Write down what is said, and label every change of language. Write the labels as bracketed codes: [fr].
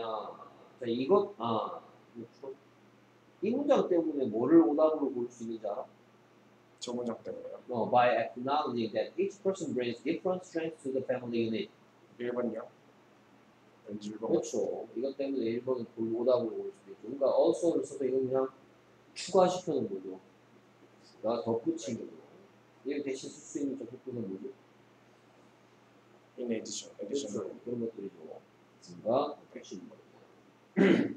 [ko] 자 이거 아 이 문장 때문에 뭐를 오답으로 볼 수 있는지 알아? 전문적대로요. [en] No, by acknowledging that each person brings different strengths to the family unit. [ko] 1번이요? 그렇죠. 이것 때문에 1번은 불모답으로 볼 수도 있고 뭔가 also를 써서 이건 그냥 추가시켜는 거죠. 나 덧붙인 거죠. 이걸 대신 쓸 수 있는 덧붙은 거죠. [en] In addition. [ko] 그렇죠. 그런 것들이죠. 뭔가 덧붙인 거죠.